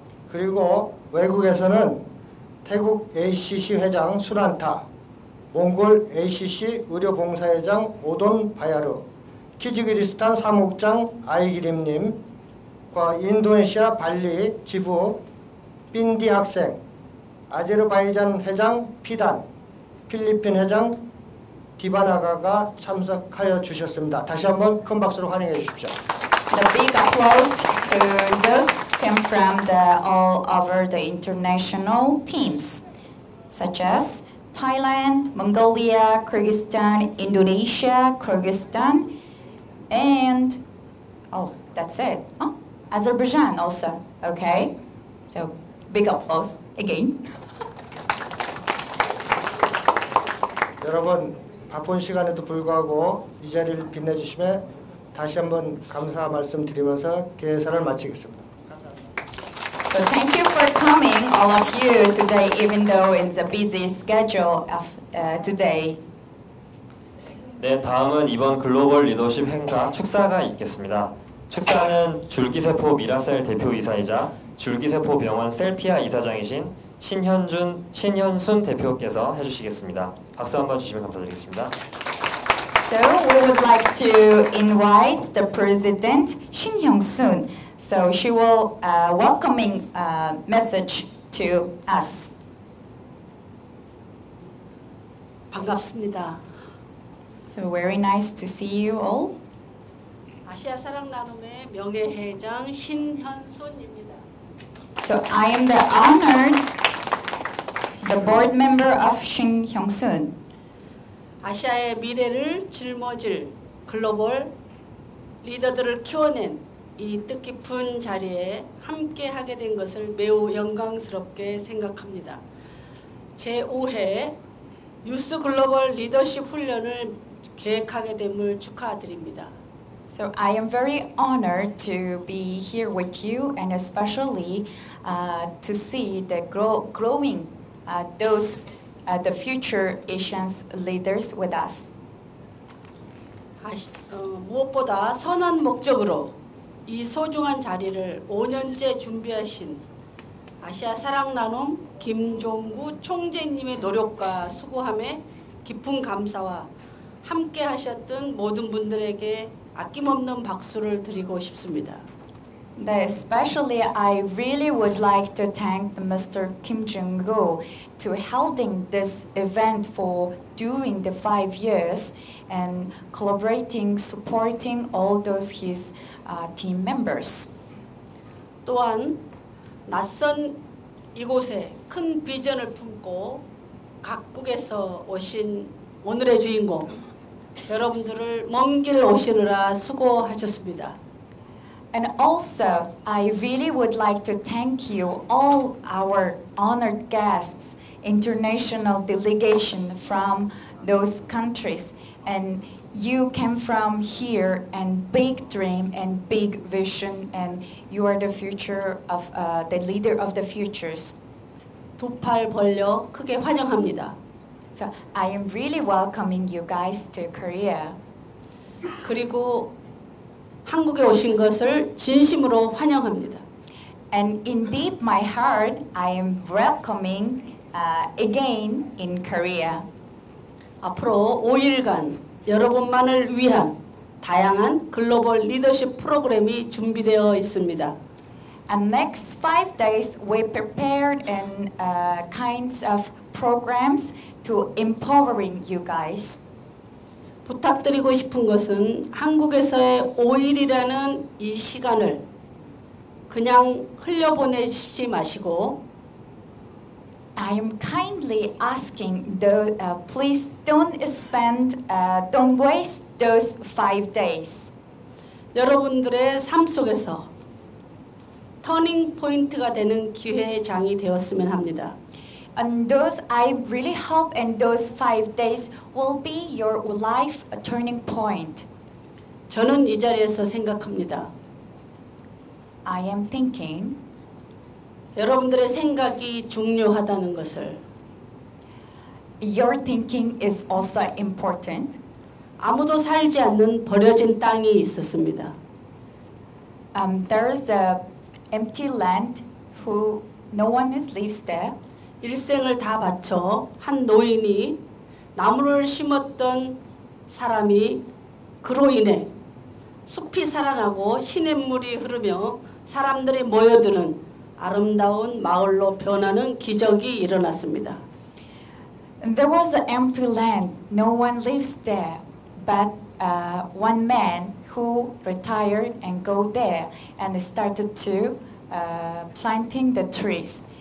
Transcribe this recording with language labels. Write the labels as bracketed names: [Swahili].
[Korean] 그리고 외국에서는 태국 ACC 회장 수란타, 몽골 ACC 의료봉사회장 오돈 바야르, 키즈기리스탄 사무국장 아이기림님과 인도네시아 발리 지부 빈디 학생, 아제르바이잔 회장 피단, 필리핀 회장 디바나가가 참석하여 주셨습니다. 다시 한번 큰 박수로 환영해 주십시오. [English] The big applause to those came from the all over the international teams, such as Thailand, Mongolia, Kyrgyzstan, Indonesia, Kyrgyzstan, and oh, that's it. Oh, Azerbaijan also. Okay, so big applause again. [Korean] 여러분 바쁜 시간에도 불구하고 이 자리를 빛내주심에 다시 한번 감사 말씀드리면서 개회사를 마치겠습니다. [English] So thank you for coming, all of you, today, even though it's a busy schedule of today. [Korean] 네, 다음은 이번 글로벌 리더십 행사 축사가 있겠습니다. 축사는 줄기세포 미라셀 대표이사이자 줄기세포병원 셀피아 이사장이신 신현순 대표께서 해주시겠습니다. 박수 한번 주시면 감사드리겠습니다. [English] So we would like to invite the president, Shin Hyun-sun. So she will welcoming message to us. [Korean] 반갑습니다. [English] So very nice to see you all. [Korean] 아시아 사랑 나눔의 명예 회장 신현순입니다. [English] So I am the honored the board member of Shin Hyun-sun. [Korean] 아시아의 미래를 짊어질 글로벌 리더들을 키워낸 이 뜻깊은 자리에 함께 하게 된 것을 매우 영광스럽게 생각합니다. 제5회 유스 글로벌 리더십 훈련을 계획하게 됨을 축하드립니다. [English] So I am very honored to be here with you and especially to see the growing those the future Asians leaders with us. [Korean] 무엇보다 선한 목적으로 이 소중한 자리를 5년째 준비하신 아시아 사랑 나눔 김종구 총재님의 노력과 수고함에 깊은 감사와 함께 하셨던 모든 분들에게 아낌없는 박수를 드리고 싶습니다. [English] But especially I really would like to thank Mr. Kim Jung-gu to holding this event for during the 5 years and collaborating, supporting all those his team members. [Korean] 또한 낯선 이곳에 큰 비전을 품고 각국에서 오신 오늘의 주인공 여러분들을 먼 길 오시느라 수고하셨습니다. [English] And also, I really would like to thank you, all our honored guests, international delegation from those countries. And you came from here and big dream and big vision, and you are the future of the leader of the futures. [Korean] 두 팔 벌려 크게 환영합니다. [English] So I am really welcoming you guys to Korea. [Korean] 그리고 한국에 오신 것을 진심으로 환영합니다. [English] And in deep my heart, I am welcoming again in Korea. [Korean] 앞으로 5일간 여러분만을 위한 다양한 글로벌 리더십 프로그램이 준비되어 있습니다. [English] And next 5 days, we prepared in kinds of programs to empowering you guys. [Korean] 부탁드리고 싶은 것은 한국에서의 5일이라는 이 시간을 그냥 흘려보내시지 마시고 [English] I'm kindly asking the please don't spend don't waste those 5 days. [Korean] 여러분들의 삶 속에서 터닝 포인트가 되는 기회의 장이 되었으면 합니다. [English] And those I really hope and those 5 days will be your life turning point. [Korean] 저는 이 자리에서 생각합니다. [English] I am thinking [Korean] 여러분들의 생각이 중요하다는 것을 [English] Your thinking is also important. [Korean] 아무도 살지 않는 버려진 땅이 있었습니다. [English] There is a empty land who no one is lives there. [Korean] 일생을 다 바쳐 한 노인이 나무를 심었던 사람이 그로 인해 숲이 살아나고 시냇물이 흐르며 사람들이 모여드는 아름다운 마을로 변하는 기적이 일어났습니다. [English] There was an empty land. No one lives there. But one man who retired and go there and started to planting the trees.